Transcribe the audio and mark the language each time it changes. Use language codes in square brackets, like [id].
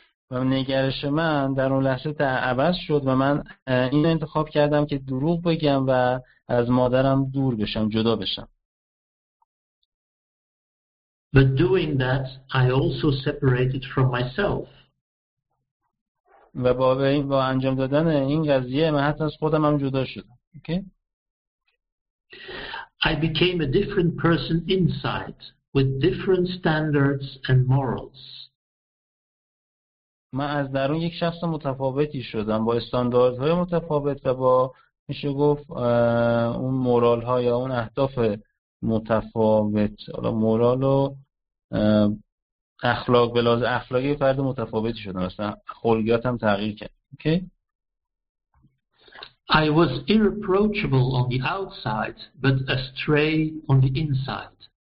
[fa] و نگرش من در اون لحظه عوض شد و من این انتخاب کردم که دروغ بگم و از مادرم دور بشم، جدا بشم. [en] But doing that, I also separated from myself. [fa] و با انجام دادن این قضیه من حتی از خودم هم جدا شدم. [en] I became a different person inside with different standards and morals. [fa] من از درون یک شخص متفاوتی شدم با استانداردهای متفاوت و با میشه گفت اون مورال ها یا اون اهداف متفاوت، حالا مورال و اخلاق به لحاظ اخلاقی فرد متفاوتی شدم، مثلا خلقیاتم تغییر کرد. [en] I was irreproachable on the outside but astray on the inside.